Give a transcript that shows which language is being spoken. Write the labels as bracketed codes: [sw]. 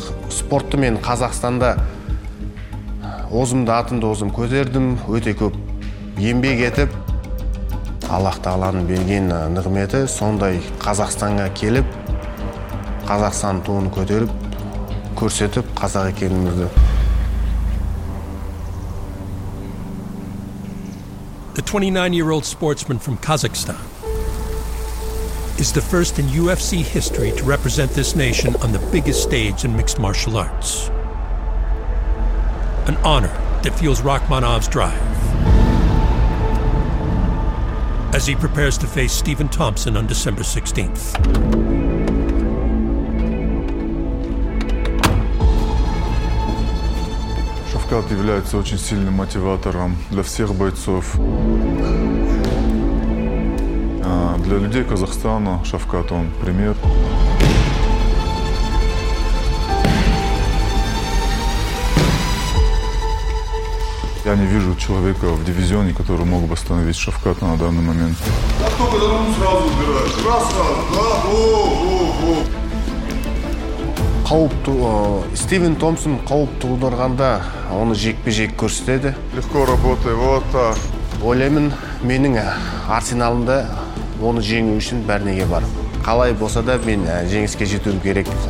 [kk] Спортты мен Қазақстанда озымды атымды озым көтердім, өте көп еңбек етіп. Аллах Тағаланың берген нығметі сондай Қазақстанға келіп, Қазақстан туын көтеріп, көрсетіп қазақ екенімізді. [en] The 29-year-old sportsman from Kazakhstan is the first in UFC history to represent this nation on the biggest stage in mixed martial arts. An honor that fuels Rakhmonov's drive as he prepares to face Stephen Thompson on December 16th. [ru] Шавкат является очень сильным мотиватором для всех бойцов. Для людей Казахстана Шавкат – он пример. Я не вижу человека в дивизионе, который мог бы остановить Шавката на данный момент. А кто когда руку сразу убирает? Раз, раз, два, о-о-о-о! [kk] Стивен Томпсон қауіп тудырғанда оны жекпе-жек көрсетеді. [ru] Легко работает, вот так. [kk] Ойлаймын, менің арсеналымда оны жеңу үшін бәрінеге бар. Қалай болса да мен жеңіске жетуім керек.